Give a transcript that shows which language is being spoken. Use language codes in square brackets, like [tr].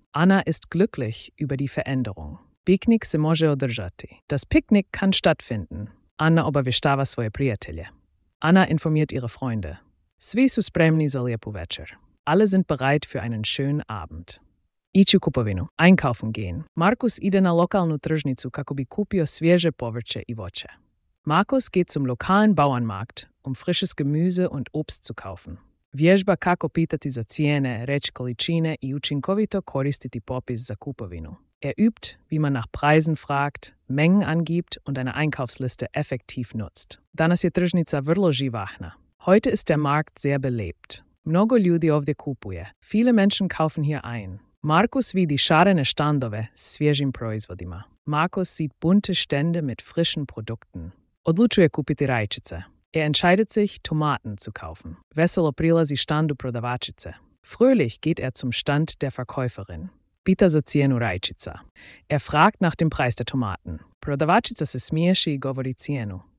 [de] Anna ist glücklich über die Veränderung. [hr] Piknik se može održati. [de] Das Picknick kann stattfinden. [hr] Anna obavještava svoje prijatelje. [de] Anna informiert ihre Freunde. [hr] Svi su spremni za lijepu večer. [de] Alle sind bereit für einen schönen Abend. [hr] Iću kupovinu. [de] Einkaufen gehen. [hr] Markus ide na lokalnu tržnicu kako bi kupio svježe povrće i voće. [de] Markus geht zum lokalen Bauernmarkt, frisches Gemüse und Obst zu kaufen. [hr] Vježba kako pitati za cijene, reći količine i učinkovito koristiti popis za kupovinu. [de] Übt, wie man nach Preisen fragt, Mengen angibt und eine Einkaufsliste effektiv nutzt. [hr] Danas je tržnica vrlo živahna. [de] Heute ist der Markt sehr belebt. [hr] Mnogo ljudi ovdje kupuje. [de] Viele Menschen kaufen hier ein. [hr] Markus vidi šarene štandove s svježim proizvodima. [de] Markus sieht bunte Stände mit frischen Produkten. [hr] Odlučuje kupiti rajčice. [de] Entscheidet sich, Tomaten zu kaufen. [hr] Veselo prilazi štandu prodavačice. [de] Fröhlich geht zum Stand der Verkäuferin. [hr] Pita za cijenu rajčica. [de] Fragt nach dem Preis der Tomaten. [hr] Prodavačica se smiješi i govori cijenu.